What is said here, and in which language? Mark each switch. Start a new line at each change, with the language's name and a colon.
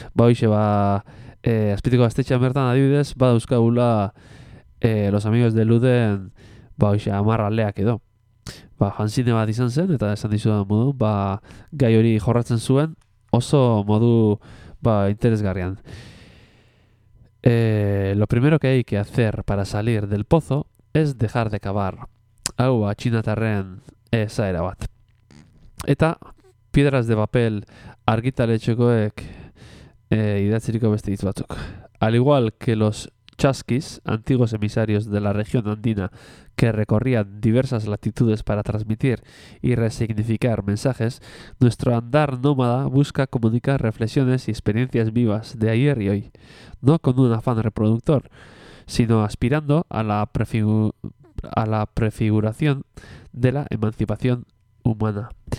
Basque: Ba, hoxe, ba, azpeitiko gaztetxean bertan adibidez, ba, dauzkagula los amigos de Luden, ba, hoxe, amarraleak edo. Ba, fanzine bat izan zen, eta esan dizudan modu, ba, gai hori jorratzen zuen, oso modu, ba, interesgarrian.
Spanish: Lo primero que hay que hacer para salir del pozo es dejar de cavar.
Basque: Hau ba, txinatarren esaera bat. Eta piedras de papel argitaletxekoek idatziriko beste hitz batzuk.
Spanish: Al igual que los chasquis, antiguos emisarios de la región andina que recorrían diversas latitudes para transmitir y resignificar mensajes, nuestro andar nómada busca comunicar reflexiones y experiencias vivas de ayer y hoy, no con un afán reproductor, sino aspirando a la prefiguración de la emancipación humana.